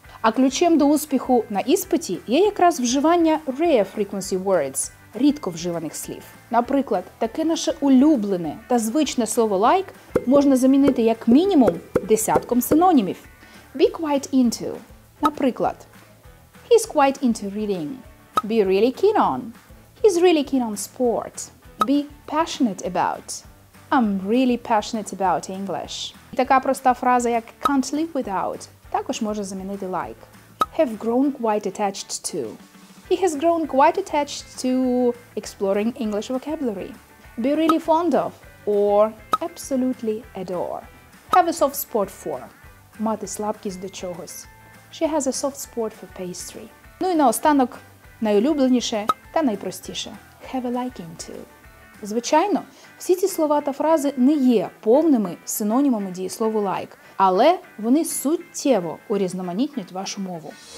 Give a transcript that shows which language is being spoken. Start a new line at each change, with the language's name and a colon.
Ukrainian: А ключем до успіху на іспиті є якраз вживання rare frequency words – рідко вживаних слів. Наприклад, таке наше улюблене та звичне слово «like» можна замінити як мінімум десятком синонімів.
English: Be quite into.
Ukrainian: Наприклад,
English: He's quite into reading. Be really keen on. He's really keen on sport. Be passionate about. I'm really passionate about English.
Ukrainian: Така проста фраза як
English: can't live without
Ukrainian: також може замінити like.
English: Have grown quite attached to. He has grown quite attached to exploring English vocabulary. Be really fond of or absolutely adore. Have a soft spot for.
Ukrainian: Мати слабкість до чогось.
English: She has a soft spot for pastry.
Ukrainian: Ну і наостанок найулюбленіше та найпростіше.
English: Have a liking to.
Ukrainian: Звичайно, всі ці слова та фрази не є повними синонімами дієслову like, але вони суттєво урізноманітнюють вашу мову.